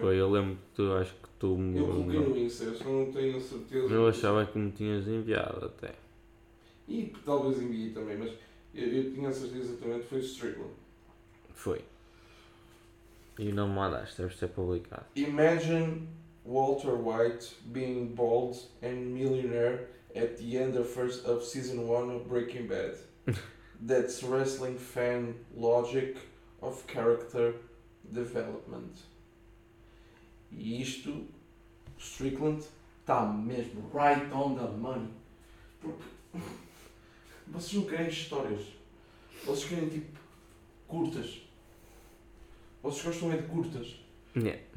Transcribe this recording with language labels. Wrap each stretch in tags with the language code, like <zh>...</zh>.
<pt>Foi ele, acho que tu me... Eu coloquei no Insta, só não tenho a certeza. Eu achava que me tinhas enviado até. E talvez enviei também, mas eu tinha a certeza também que foi o Strickland. Foi. E não me mandaste, deve ser publicado.</pt> <en>Imagine Walter White being bald and millionaire at the end of first of season 1 of Breaking Bad. That's wrestling fan logic of character development.</en> <pt>E isto, Strickland, está mesmo</pt> <en>right on the money.</en> <pt>Porque vocês não querem histórias. Vocês querem, tipo, curtas. Vocês gostam é de curtas.</pt> <en>Yeah.</en>